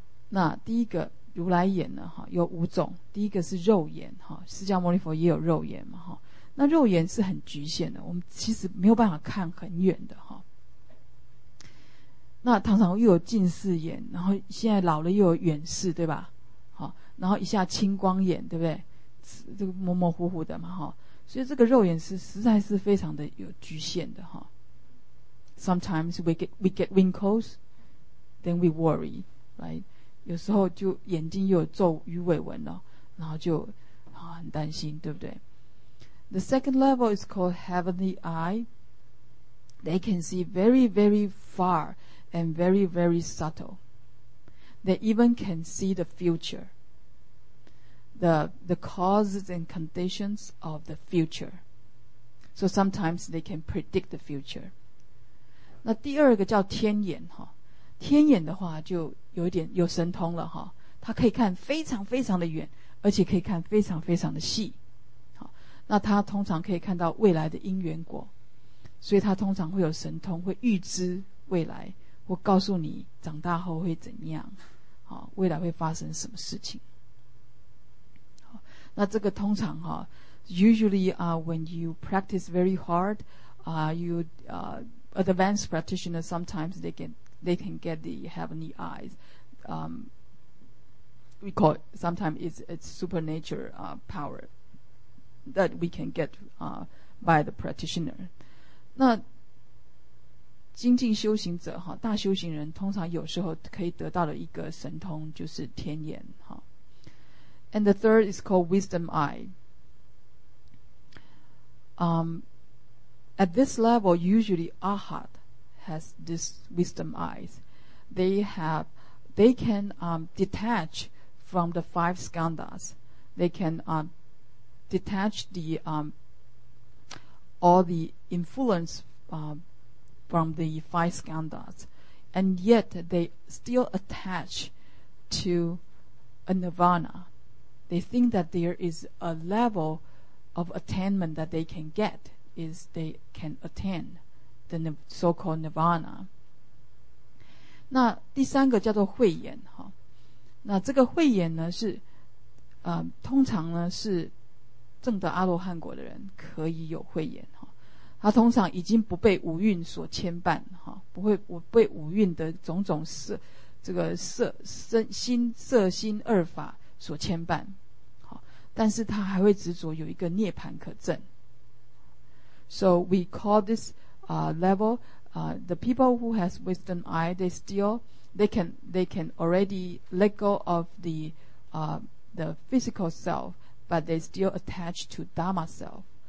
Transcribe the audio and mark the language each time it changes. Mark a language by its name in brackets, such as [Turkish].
[Chinese] 那第一个如来眼呢，有五种。第一个是肉眼，释迦牟尼佛也有肉眼嘛，那肉眼是很局限的，我们其实没有办法看很远的，那常常又有近视眼，然后现在老了又有远视，对吧？好，然后一下青光眼，对不对？这个模模糊糊的嘛，哈。所以这个肉眼是实在是非常的有局限的，哈。 [English] Sometimes we get wrinkles, then we worry, right? [Chinese] 有时候就眼睛又有皱鱼尾纹了，然后就很担心，对不对 ？ [English] The second level is called heavenly eye. They can see very, very far. And very, very subtle. They even can see the future. The causes and conditions of the future. So sometimes they can predict the future. [Chinese] 那第二个叫天眼，天眼的话就有点有神通了，它可以看非常非常的远，而且可以看非常非常的细。那它通常可以看到未来的因缘果，所以它通常会有神通，会预知未来。我告诉你长大后会怎样，未来会发生什么事情。那这个通常 [English] usually when you practice very hard, advanced practitioners sometimes they can get the heavenly eyes. We call it, sometimes it's supernatural power that we can get by the practitioner. [Chinese] 那精进修行者，大修行人通常有时候可以得到的一个神通就是天眼。 [English] And the third is called wisdom eye. At this level, usually Arhat has this wisdom eyes. They can detach from the five skandhas. They can detach all the influence from the five skandhas, and yet they still attach to a nirvana. They think that there is a level of attainment that they can get, is they can attain the so-called nirvana. [Chinese] 那第三个叫做慧眼，那这个慧眼呢是通常呢是证得阿罗汉果的人可以有慧眼，他通常已经不被五蕴所牵绊，不会被五蕴的种种色，这个色身心色心二法所牵绊，但是他还会执着有一个涅槃可证。 [English] So we call this level the people who has wisdom eye, they can already let go of the physical self, but they still attach to Dharma self.